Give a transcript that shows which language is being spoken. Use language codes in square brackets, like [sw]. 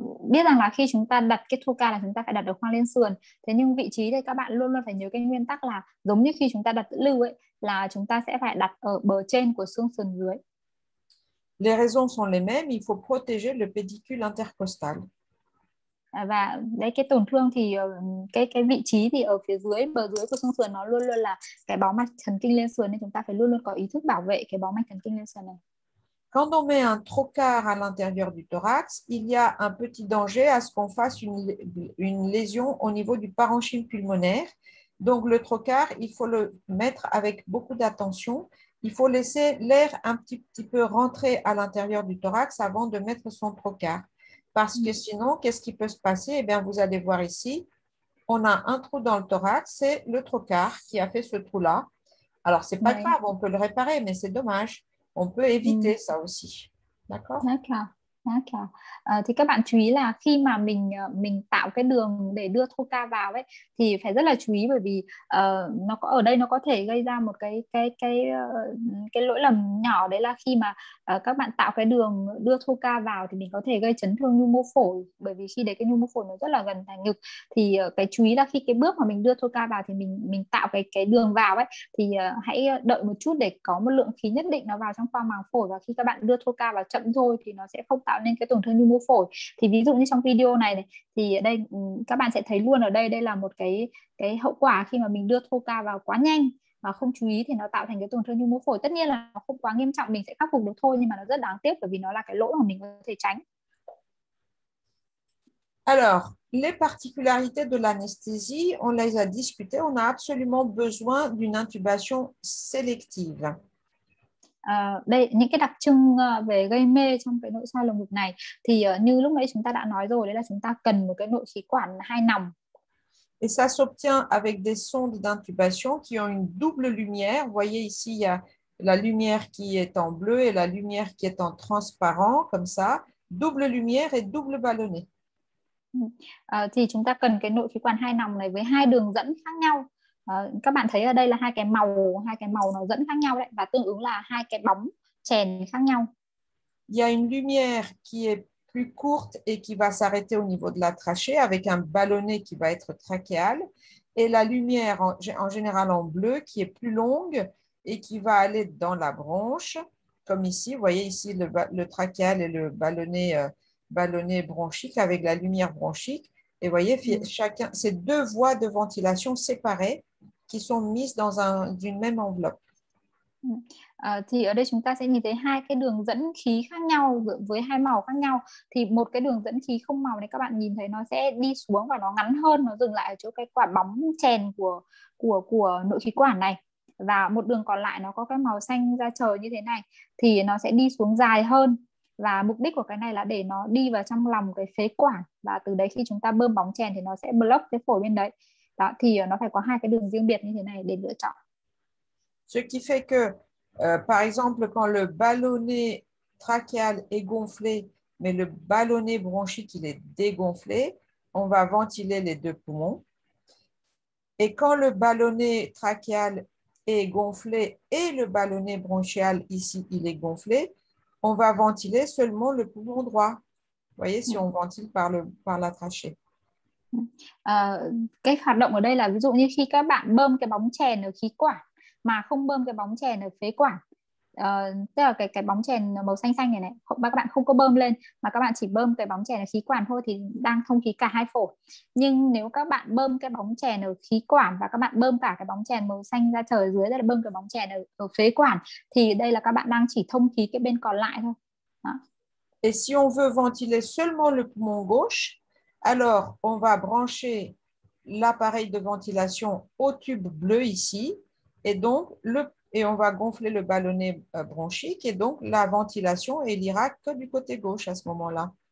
[vi] Biết rằng là khi chúng ta đặt cái trocar là chúng ta phải đặt ở khoang lên sườn. Thế nhưng vị trí đây các bạn luôn luôn phải nhớ cái nguyên tắc là giống như khi chúng ta đặt lưu ấy, là chúng ta sẽ phải đặt ở bờ trên của xương sườn dưới. [fr] Les raisons sont les mêmes, il faut protéger le pédicule intercostal. [vi] Và đấy, cái tổn thương thì cái vị trí thì ở phía dưới, bờ dưới của xương sườn, nó luôn luôn là cái bó mạch thần kinh lên sườn, nên chúng ta phải luôn luôn có ý thức bảo vệ cái bó mạch thần kinh lên sườn này. [fr] Quand on met un trocar à l'intérieur du thorax, il y a un petit danger à ce qu'on fasse une lésion au niveau du parenchyme pulmonaire. Donc le trocar, il faut le mettre avec beaucoup d'attention. Il faut laisser l'air un petit peu rentrer à l'intérieur du thorax avant de mettre son trocar. Parce que sinon, qu'est-ce qui peut se passer? Eh bien, vous allez voir ici, on a un trou dans le thorax, c'est le trocar qui a fait ce trou-là. Alors, ce n'est pas grave, on peut le réparer, mais c'est dommage. On peut éviter ça aussi. D'accord? D'accord. [vi] Thì các bạn chú ý là khi mà mình tạo cái đường để đưa trocar vào ấy, thì phải rất là chú ý, bởi vì nó có ở đây nó có thể gây ra một cái lỗi lầm nhỏ, đấy là khi mà các bạn tạo cái đường đưa trocar vào thì mình có thể gây chấn thương nhu mô phổi, bởi vì khi đấy cái nhu mô phổi nó rất là gần thành ngực. Thì cái chú ý là khi cái bước mà mình đưa trocar vào thì mình tạo cái đường vào ấy, thì hãy đợi một chút để có một lượng khí nhất định nó vào trong khoang màng phổi, và khi các bạn đưa trocar vào chậm thôi thì nó sẽ không tạo nên cái tổn thương nhu mô phổi. Thì ví dụ như trong video này này, thì ở đây các bạn sẽ thấy luôn ở đây, đây là một cái hậu quả khi mà mình đưa trocar vào quá nhanh và không chú ý thì nó tạo thành cái tổn thương nhu mô phổi. Tất nhiên là nó không quá nghiêm trọng, mình sẽ khắc phục được thôi, nhưng mà nó rất đáng tiếc bởi vì nó là cái lỗi mà mình có thể tránh. [fr] Alors, les particularités de l'anesthésie, on les a discutées, on a absolument besoin d'une intubation sélective. [vi] Đây những cái đặc trưng về gây mê trong cái nội soi lồng ngực này thì như lúc nãy chúng ta đã nói rồi, đấy là chúng ta cần một cái nội khí quản hai nòng. [fr] Et ça s'obtient avec des sondes d'intubation qui ont une double lumière. Vous voyez ici, il y a la lumière qui est en bleu et la lumière qui est en transparent, comme ça. Double lumière et double ballonnet. [vi] Thì chúng ta cần cái nội khí quản hai nòng này với hai đường dẫn khác nhau. Các bạn thấy ở đây là hai cái màu nó dẫn khác nhau đấy, và tương ứng là hai cái bóng chèn khác nhau. [fr] Y a une lumière qui est plus courte et qui va s'arrêter au niveau de la trachée avec un ballonnet qui va être trachéal et la lumière en général en bleu qui est plus longue et qui va aller dans la bronche comme ici, vous voyez ici le trachéal et le ballonnet bronchique avec la lumière bronchique et vous voyez chacun ces deux voies de ventilation séparées qui sont mises dans une même enveloppe. [vi] Thì ở đây chúng ta sẽ nhìn thấy hai cái đường dẫn khí khác nhau với hai màu khác nhau. Thì một cái đường dẫn khí không màu này các bạn nhìn thấy nó sẽ đi xuống và nó ngắn hơn, nó dừng lại ở chỗ cái quả bóng chèn của nội khí quản này, và một đường còn lại nó có cái màu xanh da trời như thế này thì nó sẽ đi xuống dài hơn, và mục đích của cái này là để nó đi vào trong lòng cái phế quản, và từ đấy khi chúng ta bơm bóng chèn thì nó sẽ block cái phổi bên đấy. Đó thì nó phải có hai cái đường riêng biệt như thế này để lựa chọn. [fr] Ce qui fait que, par exemple, quand le ballonnet trachéal est gonflé, mais le ballonnet bronchique il est dégonflé, on va ventiler les deux poumons. Et quand le ballonnet trachéal est gonflé et le ballonnet bronchial ici il est gonflé, on va ventiler seulement le poumon droit. Vous voyez, si on ventile par la trachée. [vi] Cái hoạt động ở đây là ví dụ như khi các bạn bơm cái bóng chèn ở khí quản mà không bơm cái bóng chèn ở phế quản, tức là cái bóng chèn màu xanh xanh này này, các bạn không có bơm lên mà các bạn chỉ bơm cái bóng chèn ở khí quản thôi thì đang thông khí cả hai phổi. Nhưng nếu các bạn bơm cái bóng chèn ở khí quản và các bạn bơm cả cái bóng chèn màu xanh ra trời dưới, tức là bơm cái bóng chèn ở phế quản, thì đây là các bạn đang chỉ thông khí cái bên còn lại thôi. [fr] Et si on veut ventiler seulement le poumon gauche, alors on va brancher l'appareil de ventilation au tube bleu ici, et on va gonfler le ballonnet bronchique, et donc la ventilation, elle ira que du côté gauche à ce moment-là.